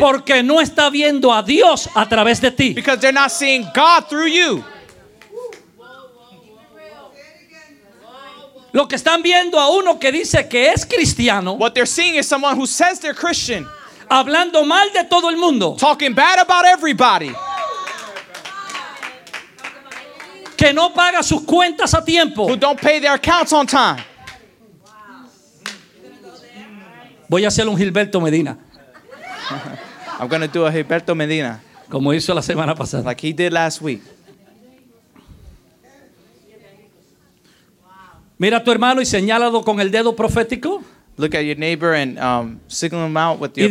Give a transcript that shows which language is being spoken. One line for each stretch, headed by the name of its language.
Spanish: Porque no está viendo a Dios a través de ti.
English: Because they're not seeing God through you.
Spanish: Lo que están viendo a uno que dice que es cristiano.
English: What they're seeing is someone who says they're Christian.
Spanish: Hablando mal de todo el mundo.
English: Talking bad about everybody.
Spanish: Que no paga sus cuentas a tiempo.
English: Who don't pay their accounts on time.
Spanish: Voy a hacer un Gilberto Medina.
English: I'm going to do a Gilberto Medina.
Spanish: Como hizo la semana pasada.
English: Like he did last week.
Spanish: Mira a tu hermano y señálalo con el dedo profético.
English: Look at your neighbor and signal him out with your